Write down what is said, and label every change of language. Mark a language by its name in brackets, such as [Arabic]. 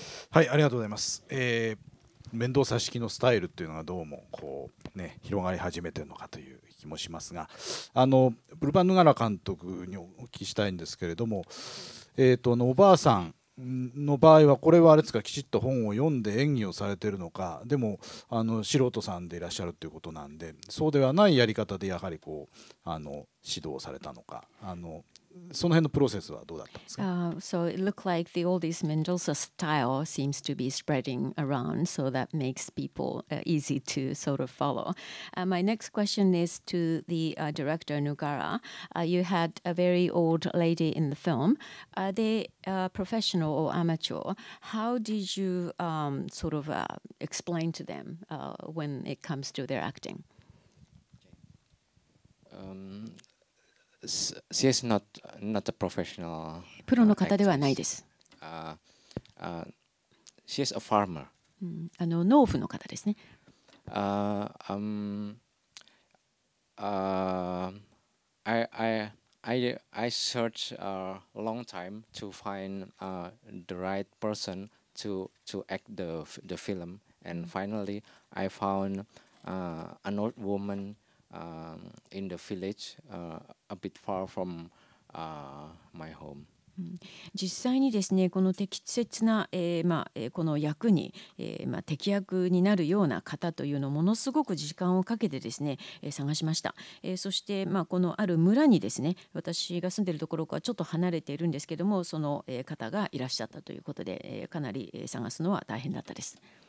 [Japanese] はい、ありがとうございます。面倒さ式のスタイルというのがどうもこう、ね、広がり始めているのかという気もしますがプルパヌガラ監督にお聞きしたいんですけれども、おばあさんの場合はこれはあれですかきちっと本を読んで演技をされているのかでも素人さんでいらっしゃるということなんでそうではないやり方でやはりこう指導されたのかその辺のプロセスはどうだったんですか。 [English] So it looked like the oldest Mendoza style seems to be spreading around, so that makes people easy to sort of follow. My next question is to the director Negara. You had a very old lady in the film. Are they professional or amateur? How did you sort of explain to them when it comes to their acting? She is not a professional. [Japanese] プロの方ではないです。 [English] She is a farmer. [Japanese] 農夫の方ですね。 [English] I searched a long time to find the right person to act the film, and finally I found an old woman. In the village, a bit far from my home. [Japanese] 実際にですね、この適切な、まあ、この役に、まあ、適役になるような方というのをものすごく時間をかけてですね、探しました。そして、まあ、このある村にですね、私が住んでいるところからちょっと離れているんですけども、その方がいらっしゃったということで、かなり探すのは大変だったです。